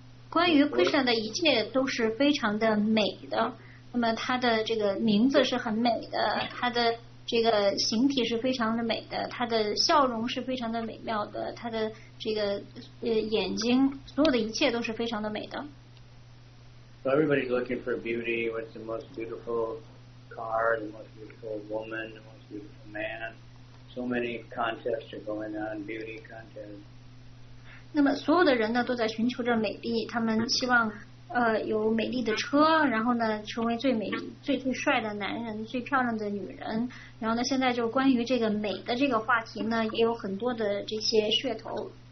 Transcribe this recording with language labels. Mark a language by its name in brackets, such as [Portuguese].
[Chinese] 关于 Krishna 的一切都是非常的美的，那么他的这个名字是很美的，他的这个形体是非常的美的，他的笑容是非常的美妙的，他的这个眼睛，所有的一切都是非常的美的。 [English] So everybody's looking for beauty. What's the most beautiful car, the most beautiful woman, the most beautiful man? So many contests are going on, beauty contests. [Chinese] 那么所有的人呢都在寻求着美丽，他们希望有美丽的车，然后呢成为最美最帅的男人，最漂亮的女人，然后呢现在就关于这个美的这个话题呢也有很多的这些噱头。